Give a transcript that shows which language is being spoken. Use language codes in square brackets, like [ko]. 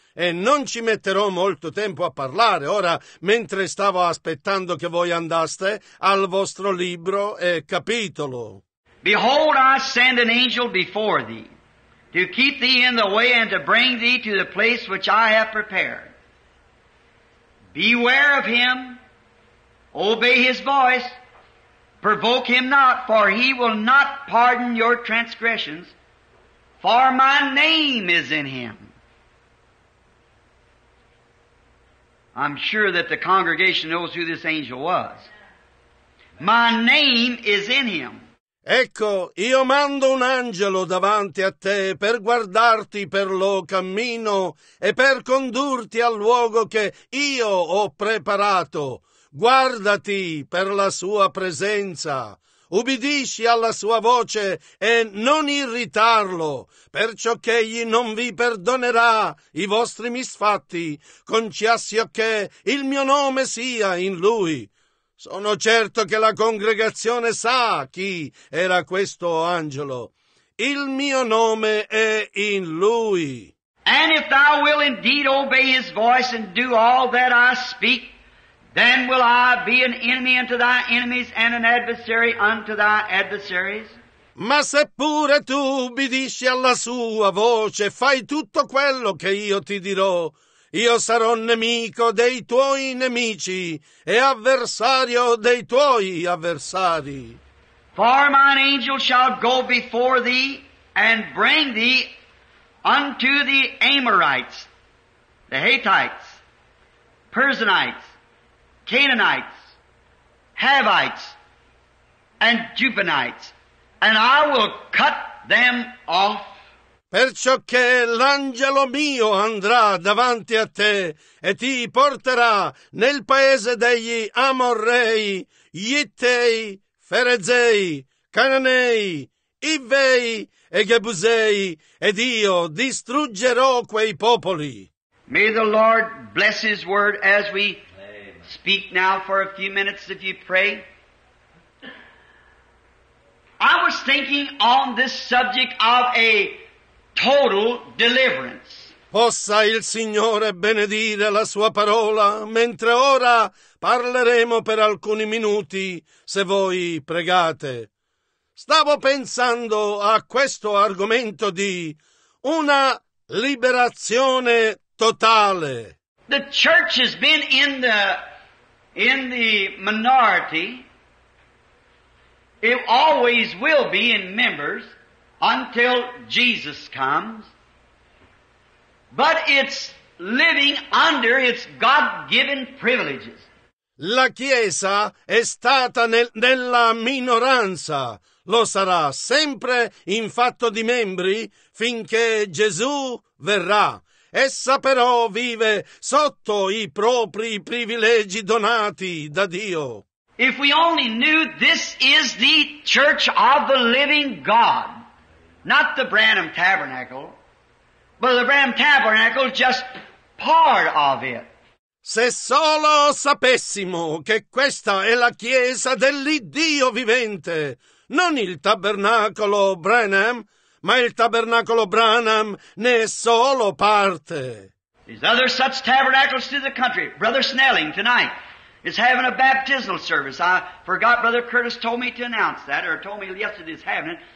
[it] E non ci metterò molto tempo a parlare. Ora, mentre stavo aspettando che voi andaste al vostro libro e capitolo. [en] Behold, I send an angel before thee, to keep thee in the way and to bring thee to the place which I have prepared. Beware of him. Obey his voice, provoke him not, for he will not pardon your transgressions, for my name is in him. I'm sure that the congregation knows who this angel was. My name is in him. [it] Ecco, io mando un angelo davanti a te per guardarti per lo cammino e per condurti al luogo che io ho preparato. Guardati per la sua presenza, ubbidisci alla sua voce e non irritarlo, perciò che egli non vi perdonerà i vostri misfatti, concesso che il mio nome sia in lui. Sono certo che la congregazione sa chi era questo angelo. Il mio nome è in lui. [en] And if thou will indeed obey his voice and do all that I speak, then will I be an enemy unto thy enemies and an adversary unto thy adversaries? [it] Ma seppure tu ubbidisci alla sua voce, fai tutto quello che io ti dirò, io sarò nemico dei tuoi nemici e avversario dei tuoi avversari. [en] For mine angel shall go before thee and bring thee unto the Amorites, the Hittites, Perizzites, Canaanites, Havites, and Jebusites, and I will cut them off. [it] Perciò che l'angelo mio andrà davanti a te e ti porterà nel paese degli Amorrei, Gittei, Ferezei, Cananei, Ivvei e Gebusei, ed io distruggerò quei popoli. [en] May the Lord bless his word as we speak now for a few minutes if you pray. I was thinking on this subject of a total deliverance. [it] Possa il Signore benedire la sua parola mentre ora parleremo per alcuni minuti se voi pregate. Stavo pensando a questo argomento di una liberazione totale. [en] The church has been in the minority, it always will be in members until Jesus comes, but it's living under its God-given privileges. [it] La Chiesa è stata nella minoranza, lo sarà sempre in fatto di membri finché Gesù verrà. Essa però vive sotto i propri privilegi donati da Dio. [en] If we only knew this is the church of the living God, not the Branham Tabernacle, but the Branham Tabernacle just part of it. [it] Se solo sapessimo che questa è la chiesa dell'Iddio vivente, non il Tabernacolo Branham, ma il tabernacolo Branham ne è solo parte. [en] There's other such tabernacles through the country. Brother Snelling tonight is having a baptismal service. I forgot Brother Curtis told me to announce that, or told me yesterday he's having it.